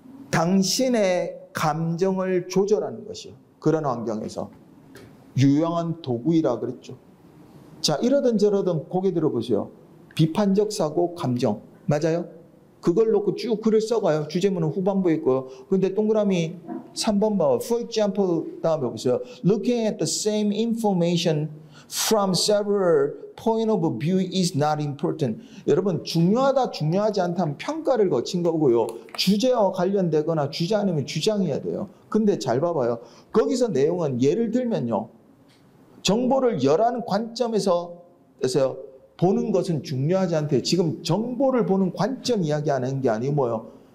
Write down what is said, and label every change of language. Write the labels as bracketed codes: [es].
[ko] 당신의 감정을 조절하는 것이요. 그런 환경에서. 유용한 도구이라 그랬죠. 자, 이러든 저러든 고개 들어보세요. 비판적 사고, 감정. 맞아요? 그걸 놓고 쭉 글을 써가요. 주제문은 후반부에 있고요. 근데 동그라미 3번 봐요. [en] For example, [ko] 다음에 보세요. [en] Looking at the same information from several point of view is not important. [ko] 여러분, 중요하다, 중요하지 않다면 평가를 거친 거고요. 주제와 관련되거나 주제 아니면 주장해야 돼요. 근데 잘 봐봐요. 거기서 내용은 예를 들면요. 정보를 열하는 관점에서, 됐어요. 보는 것은 중요하지 않대요. 지금 정보를 보는 관점 이야기하는 게 아니고 뭐요?